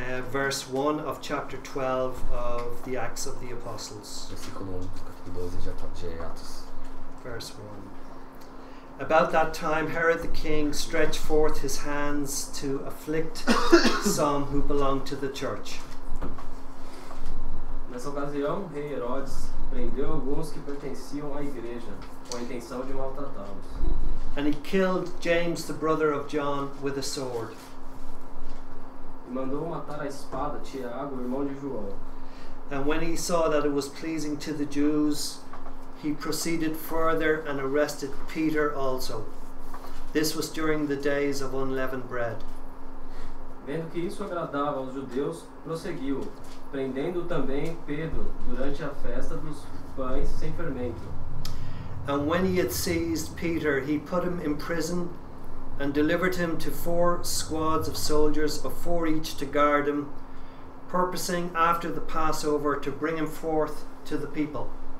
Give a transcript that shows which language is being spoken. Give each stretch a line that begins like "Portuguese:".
English: Verse 1 of chapter 12 of the Acts of the Apostles.
Portuguese: Versículo 1, capítulo 12 de Atos.
English: Verse 1. About that time, Herod the king stretched forth his hands to afflict some who belonged to the church.
Portuguese: Nessa ocasião, rei Herodes prendeu alguns que pertenciam à igreja, com a intenção de maltratá-los.
English: And he killed James, the brother of John, with a sword.
Portuguese: Mandou matar a espada Tiago, irmão de João.
English: And when he saw that it was pleasing to the Jews, he proceeded further and arrested Peter also. This was during the days of unleavened bread.
Portuguese: Vendo que isso agradava aos judeus, prosseguiu, prendendo também Pedro durante a festa dos pães sem fermento.
English: And when he had seized Peter, he put him in prison and delivered him to four squads of soldiers, of four each to guard him, purposing after the Passover to bring him forth to the people.